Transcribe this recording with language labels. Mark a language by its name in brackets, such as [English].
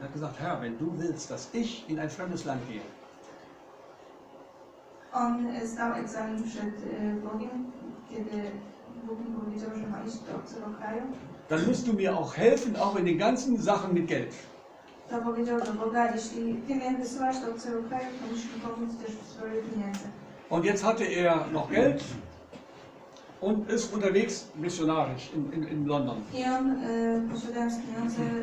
[German] Er hat gesagt, Herr, wenn du willst, dass ich in ein fremdes Land gehe. [Polish] On zdał egzamin przed Bogiem, kiedy Bóg mu powiedział, że ma iść do obcego kraju. [German] Dann musst du mir auch helfen, auch in den ganzen Sachen mit Geld. [Polish] To powiedział do Boga, jeśli ty mnie wysyłasz do obcego kraju, to musisz mi pomóc też w sprawie pieniędzy. [German] Und jetzt hatte er noch Geld und ist unterwegs missionarisch in London. [Polish] I on posiadając pieniądze